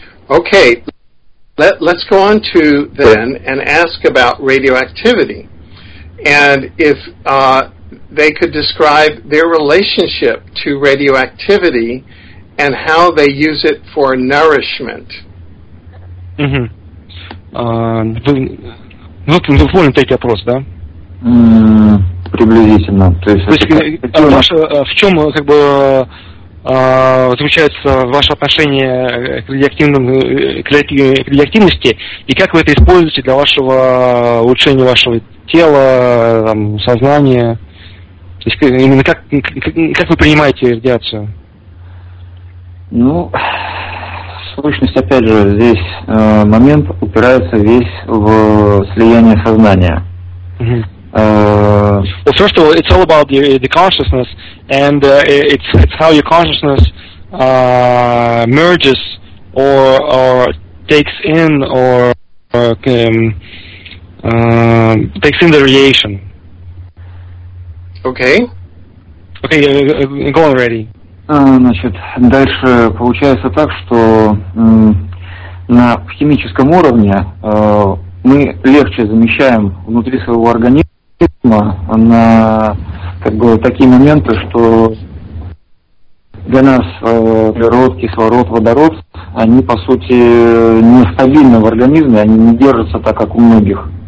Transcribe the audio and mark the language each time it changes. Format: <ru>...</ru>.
<en>Okay, let's go on to then and ask about radioactivity. And if they could describe their relationship to radioactivity and how they use it for nourishment. Mm-hmm.</en> <ru>Вы поняли этот вопрос, да? Приблизительно. То есть ваше, в чем как бы заключается ваше отношение к радиоактивности и как вы это используете для вашего улучшения вашего тела, там, сознания? То есть именно как вы принимаете радиацию? Ну, сущность, опять же, здесь момент упирается весь в слияние сознания. Mm-hmm.</ru> <en>Well, first of all, it's all about the consciousness, and it's how your consciousness merges or takes in takes in the radiation. Okay. Okay, go already.</en> <ru>Значит, дальше получается так, что на химическом уровне мы легче замещаем внутри своего организма на как бы такие моменты, что для нас углерод, кислород, водород, они по сути нестабильны в организме, они не держатся так, как у многих.</ru>